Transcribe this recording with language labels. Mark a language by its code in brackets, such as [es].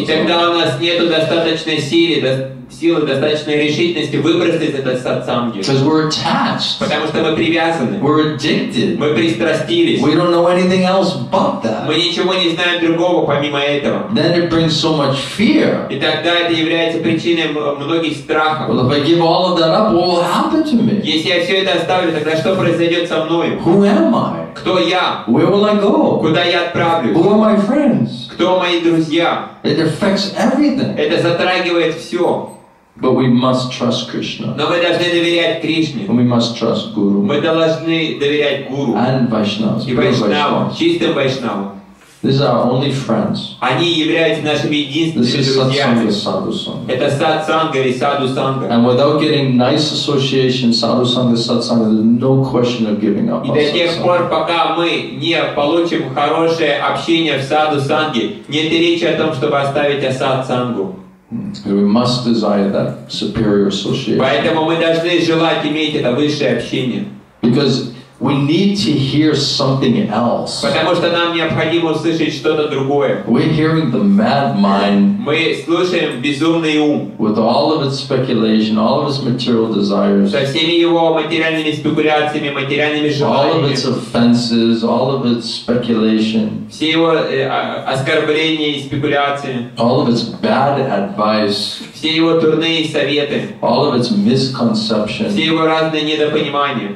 [ru] И тогда у нас нету достаточной силы, достаточной решительности выбросить этот сатсанги. [en] Because we're attached. [ru] Потому что мы привязаны. [en] We're addicted. [ru] Мы пристрастились. [en] We don't know anything else but that. [ru] Мы ничего не знаем другого помимо этого. [en] Then it brings so much fear. [ru] И тогда это является причиной многих страхов. [en] Well, if I give all of that up, what will happen to me? [ru] Если я все это оставлю, тогда что произойдет со мной? [en] Who am I? [ru] Кто я? [en] Where will I go? [ru] Куда я отправлюсь? [en] Who are my friends? [ru] Кто мои друзья? [en] It affects everything. [ru] Это затрагивает все. [en] But we must trust Krishna. [ru] Но мы должны доверять Кришне. [en] And we must trust Guru. [ru] Мы должны доверять Гуру. [en] And Vaishnavas. [ru] И Vaishnavas. Чистым Vaishnavas. [en] These are our only friends. [ru] Они являются нашими единственными друзьями. Это сатсанга или садусанга. [en] And without getting nice association, садусанга, сатсанга, there's no question of giving up. [ru] И до тех пор, пока мы не получим хорошее общение в садусанге, нет речи о том, чтобы оставить асатсангу. [en] We must desire that superior association. [ru] Поэтому мы должны желать иметь это высшее общение. [en] We need to hear something else. [ru] Потому что нам необходимо услышать что-то другое. [en] We're hearing the mad mind. [ru] Мы слушаем безумный ум. [en] With all of its speculation, all of its material desires. [ru] Со всеми его материальными спекуляциями, материальными желаниями. [en] All of its offenses, all of its speculation. [ru] Все его оскорбления и спекуляции. [en] All of its bad advice. [ru] Все его дурные советы. [en] All of its misconceptions. [ru] Все его разные недопонимания.